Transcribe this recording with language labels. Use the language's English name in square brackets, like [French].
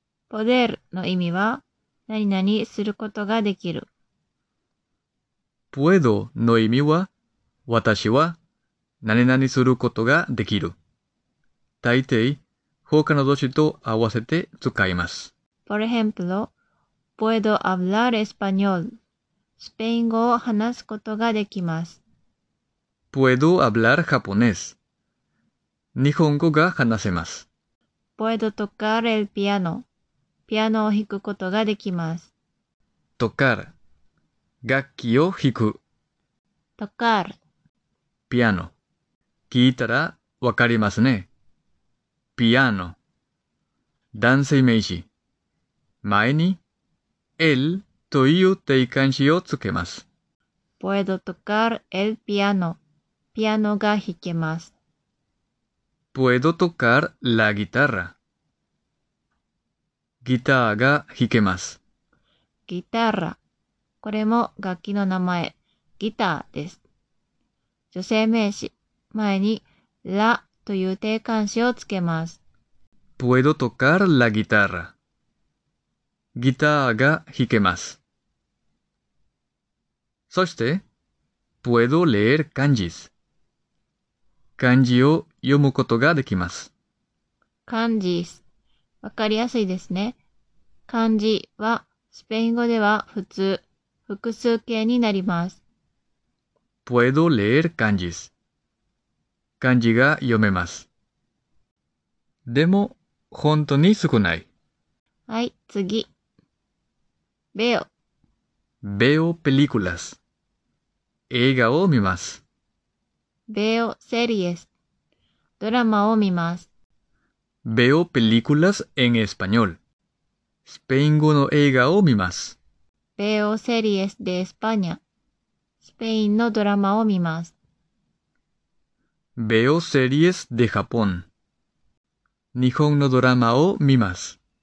[Japanese] Poder の意味は、何々することができる。 Puedo の意味は、私は何々することができる。大抵、他の動詞と合わせて使います。 [Spanish] Por ejemplo, puedo hablar español. [Japanese] スペイン語を話すことができます。 [Spanish] Puedo hablar japonés. [Japanese] 日本語が話せます。 [Spanish] Puedo tocar el piano. [Japanese] ピアノを弾くことができます。 Tocar. 楽器を弾く。 [Spanish] Tocar. [Japanese] ピアノ。聞いたらわかりますね。ピアノ。男性名詞。前に、el という定冠詞をつけます。 [Spanish] Puedo tocar el piano. [Japanese] ピアノが弾けます。 [Spanish] Puedo tocar la guitarra. [Japanese] ギターが弾けます。ギターラ。これも楽器の名前、ギターです。女性名詞。前に、ラという定冠詞をつけます。 [Spanish] Puedo tocar la guitarra. [Japanese] ギターが弾けます。 [Spanish] そして、Puedo leer kanjis. [Japanese] 漢字を読むことができます。漢字。わかりやすいですね。漢字は、スペイン語では普通、複数形になります。 [Spanish] Puedo leer kanjis. [Japanese] 漢字が読めます。でも、本当に少ない。はい、次。Veo。 [Spanish] Veo películas. [Japanese] 映画を見ます。 [Spanish] Veo series。 [Japanese] ドラマを見ます。 [Spanish] Veo películas en español. [Japanese] スペイン語の映画を見ます。 [Spanish] Veo series de España. [Japanese] スペインのドラマを見ます。 [Spanish] Veo series de Japón. [Japanese] 日本のドラマを見ます。